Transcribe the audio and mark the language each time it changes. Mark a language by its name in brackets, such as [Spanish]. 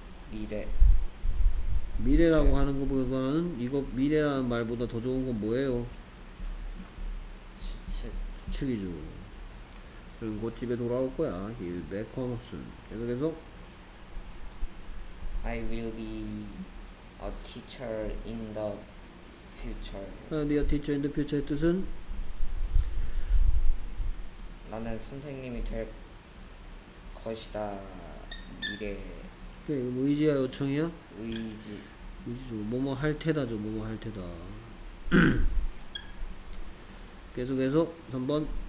[Korean] 미래. 미래라고 네. 하는 것보다는 이거 미래라는 말보다 더 좋은 건 뭐예요? 추측이죠. 그럼 곧 집에 돌아올 거야. [English] He'll be back home soon. [Korean] 계속해서 [English] I will be a teacher in the future. I'll be a teacher in the future의 [Korean] 뜻은? 나는 선생님이 될 것이다. 미래. 그게 그래, 의지야 요청이야? 의지. 의지죠. 뭐뭐 할 테다죠. 뭐뭐 할 테다. 계속해서 3번.